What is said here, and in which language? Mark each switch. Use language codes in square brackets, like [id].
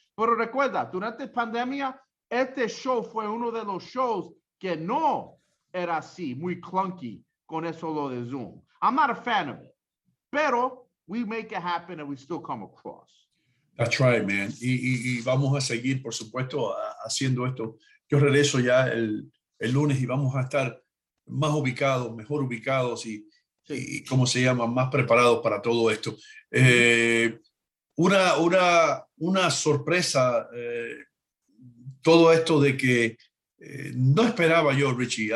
[es] Pero recuerda, durante la pandemia, este show fue uno de los shows que no era así, muy clunky con eso lo de Zoom. [en] I'm not a fan of it. Pero we make it happen and we still come across. That's right, man. [es] Y vamos a seguir, por supuesto, haciendo esto. Yo regreso ya el lunes y vamos a estar más ubicados, mejor ubicados y ¿cómo se llama? Más preparados para todo esto. Una sorpresa, todo esto de que no esperaba yo, Richie.